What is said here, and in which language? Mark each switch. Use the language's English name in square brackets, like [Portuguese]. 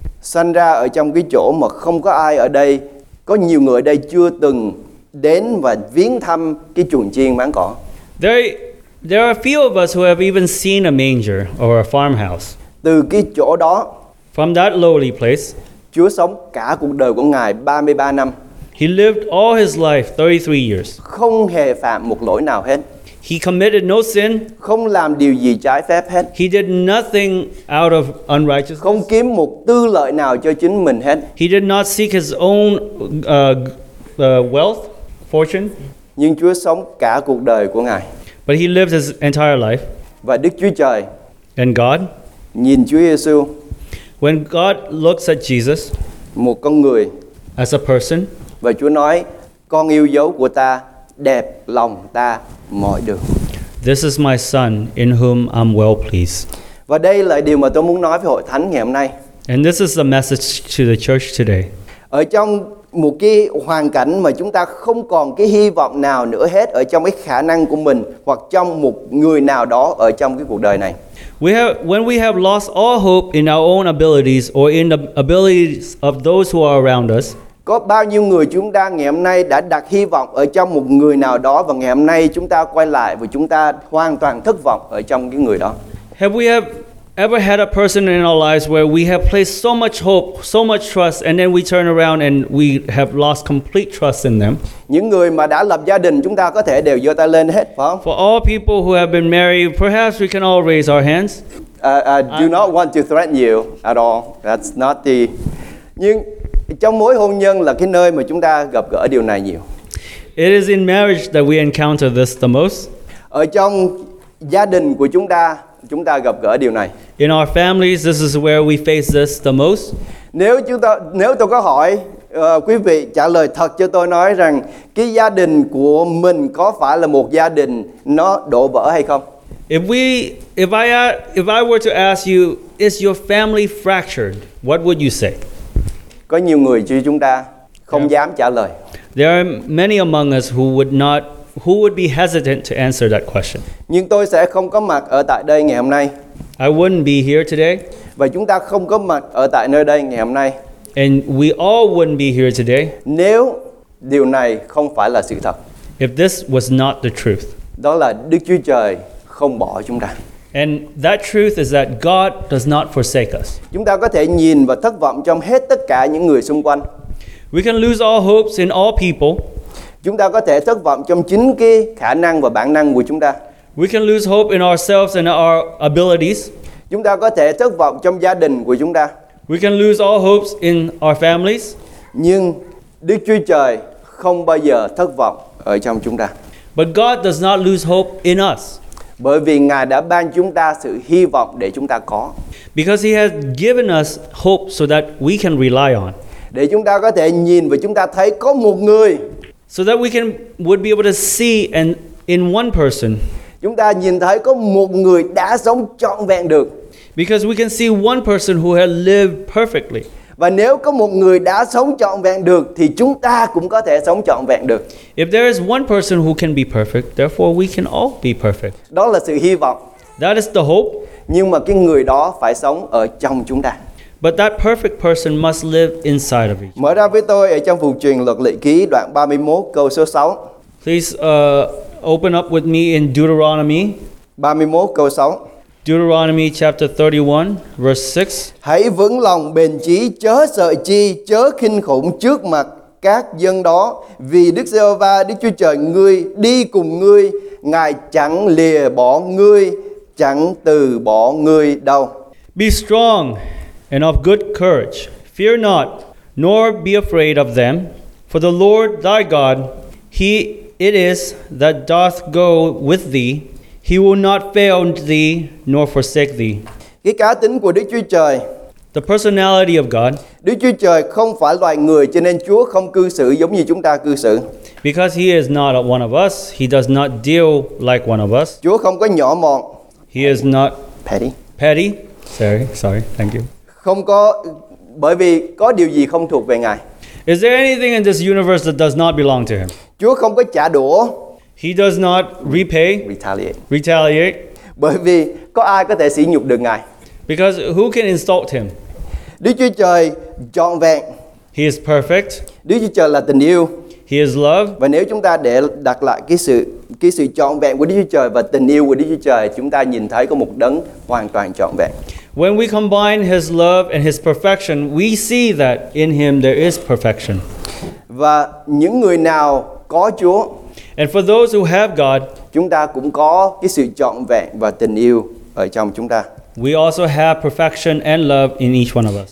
[Vietnamese] Sanh ra ở trong cái chỗ mà không có ai ở đây, có nhiều người ở đây chưa từng đến và viếng thăm cái chuồng chiên máng cỏ. [English] There are a few of us who have even seen a manger or a farmhouse. [Vietnamese] Từ cái chỗ đó, [English] from that lowly place, [Vietnamese] Chúa sống cả cuộc đời của Ngài 33 năm. [English] He lived all his life 33 years. [Vietnamese] Không hề phạm một lỗi nào hết. [English] He committed no sin. [Vietnamese] Không làm điều gì trái phép hết. [English] He did nothing out of unrighteousness. [Vietnamese] Không kiếm một tư lợi nào cho chính mình hết. [English] He did not seek his own wealth, fortune. [Vietnamese] Nhưng Chúa sống cả cuộc đời của Ngài. [English] But he lived his entire life. [Vietnamese] Và Đức Chúa Trời. [English] And God. [Vietnamese] Nhìn Chúa Giêsu. [English] When God looks at Jesus. [Vietnamese] Một con người. [English] As a person. [Vietnamese] Và Chúa nói, con yêu dấu của ta, đẹp lòng ta mọi đường. [English] This is my son in whom I'm well pleased. [Vietnamese] Và đây là điều mà tôi muốn nói với hội thánh ngày hôm nay. [English] And this is the message to the church today. [Vietnamese] Ở trong một cái hoàn cảnh mà chúng ta không còn cái hy vọng nào nữa hết ở trong cái khả năng của mình hoặc trong một người nào đó ở trong cái cuộc đời này. [English] When we have lost all hope in our own abilities or in the abilities of those who are around us. [Vietnamese] Có bao nhiêu người chúng ta ngày hôm nay đã đặt hy vọng ở trong một người nào đó và ngày hôm nay chúng ta quay lại và chúng ta hoàn toàn thất vọng ở trong cái người đó. [English] Have we ever had a person in our lives where we have placed so much hope, so much trust, and then we turn around and we have lost complete trust in them? [Vietnamese] Những người mà đã lập gia đình chúng ta có thể đều giơ tay lên hết, phải không? [English] For all people who have been married, perhaps we can all raise our hands. I do not want to threaten you at all. That's not the. [Vietnamese] Nhưng trong mối hôn nhân là cái nơi mà chúng ta gặp gỡ điều này nhiều. [English] It is in marriage that we encounter this the most. [Vietnamese] Ở trong gia đình của chúng ta gặp gỡ điều này. [English] In our families, this is where we face this the most. [Vietnamese] Nếu tôi có hỏi quý vị trả lời thật cho tôi nói rằng cái gia đình của mình có phải là một gia đình nó đổ vỡ hay không? [English] If I were to ask you, is your family fractured? What would you say? [Vietnamese] Có nhiều người như chúng ta không dám trả lời. [English] There are many among us who would be hesitant to answer that question. [Vietnamese] Nhưng tôi sẽ không có mặt ở tại đây ngày hôm nay. [English] I wouldn't be here today. [Vietnamese] Và chúng ta không có mặt ở tại nơi đây ngày hôm nay. [English] And we all wouldn't be here today. [Vietnamese] Nếu điều này không phải là sự thật. [English] If this was not the truth. [Vietnamese] Đó là Đức Chúa Trời không bỏ chúng ta. [English] And that truth is that God does not forsake us. [Vietnamese] Chúng ta có thể nhìn và thất vọng trong hết tất cả những người xung quanh. [English] We can lose all hopes in all people. [Vietnamese] Chúng ta có thể thất vọng trong chính cái khả năng và bản năng của chúng ta. [English] We can lose hope in ourselves and our abilities. [Vietnamese] Chúng ta có thể thất vọng trong gia đình của chúng ta. [English] We can lose all hopes in our families. [Vietnamese] Nhưng Đức Chúa Trời không bao giờ thất vọng ở trong chúng ta. [English] But God does not lose hope in us. [Vietnamese] Bởi vì Ngài đã ban chúng ta sự hy vọng để chúng ta có. [English] Because He has given us hope so that we can rely on. [Vietnamese] Để chúng ta có thể nhìn và chúng ta thấy có một người. [English] So that we can would be able to see and in one person. [Vietnamese] Chúng ta nhìn thấy có một người đã sống trọn vẹn được. [English] Because we can see one person who had lived perfectly. [Vietnamese] Và nếu có một người đã sống trọn vẹn được thì chúng ta cũng có thể sống trọn vẹn được. [English] If there is one person who can be perfect, therefore we can all be perfect. [Vietnamese] Đó là sự hy vọng. [English] That is the hope. [Vietnamese] Nhưng mà cái người đó phải sống ở trong chúng ta. [English] But that perfect person must live inside of each. [Vietnamese] Mở ra với tôi ở trong phục truyền luật lệ ký đoạn 31 câu số 6. [English] Please open up with me in Deuteronomy. [Vietnamese] 31 câu 6. [English] Deuteronomy chapter 31 verse 6. [Vietnamese] Hãy vững lòng bền chí, chớ sợ chi, chớ khinh khủng trước mặt các dân đó, vì Đức Giê-hô-va, Đức Chúa Trời ngươi đi cùng ngươi, Ngài chẳng lìa bỏ ngươi, chẳng từ bỏ ngươi đâu. [English] Be strong and of good courage. Fear not, nor be afraid of them. For the Lord thy God, He it is that doth go with thee. He will not fail thee, nor forsake thee. [Vietnamese] Cái cá tính của Đức Chúa Trời, [English] the personality of God, [Vietnamese] Đức Chúa Trời không phải loài người, cho nên Chúa không cư xử giống như chúng ta cư xử. [English] Because He is not one of us, He does not deal like one of us. [Vietnamese] Chúa không có nhỏ mọn. [English] He is not petty. Petty. Sorry, thank you. [Vietnamese] Không có, bởi vì có điều gì không thuộc về Ngài. [English] Is there anything in this universe that does not belong to Him? [Vietnamese] Chúa không có trả đũa. [English] He does not repay. Retaliate. [Vietnamese] Bởi vì có ai có thể sỉ nhục được Ngài? [English] Because who can insult Him? [Vietnamese] Đức Chúa Trời trọn vẹn. [English] He is perfect. [Vietnamese] Đức Chúa Trời là tình yêu. [English] He is love. [Vietnamese] Và nếu chúng ta để đặt lại cái sự trọn vẹn của Đức Chúa Trời và tình yêu của Đức Chúa Trời, chúng ta nhìn thấy có một đấng hoàn toàn trọn vẹn. [English] When we combine His love and His perfection, we see that in Him there is perfection. [Vietnamese] Và những người nào có Chúa, [English] and for those who have God, [Vietnamese] chúng ta cũng có cái sự trọn vẹn và tình yêu ở trong chúng ta. [English] We also have perfection and love in each one of us.